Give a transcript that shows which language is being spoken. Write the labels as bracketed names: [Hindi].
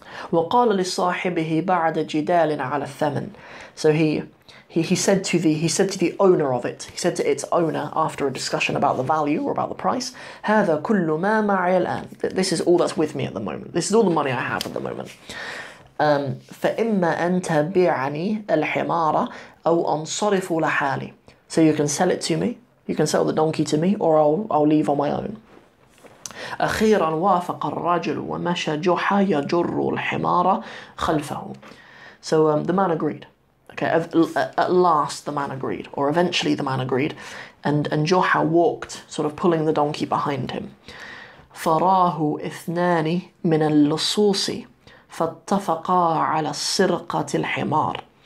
[Arabic] وَقَالَ لِصَاحِبِهِ بَعْدَ جِدَالٍ عَلَى الثَّمَنِ. [English] So he said to the owner of it, he said to its owner after a discussion about the value or about the price, [Arabic] هَذَا كُلُّ مَا مَعِيَ الْآنِ. [English] This is all that's with me at the moment. This is all the money I have at the moment. [Arabic] فإما أن تبيعني الحمارة أو أنصرف لحالي. [English] So you can sell it to me, you can sell the donkey to me, or I'll leave on my own. [Arabic] أخيرا وافق الرجل ومشى جحا يجر الحمارة خلفه. [English] So the man agreed. Okay, at last the man agreed, or eventually the man agreed, and Joha walked, sort of pulling the donkey behind him. [Arabic] فَرَاهُ إِثْنَانِ مِنَ اللُّصُوصِ فَاتَّفَقَا عَلَى السِّرْقَةِ الْحِمَارِ.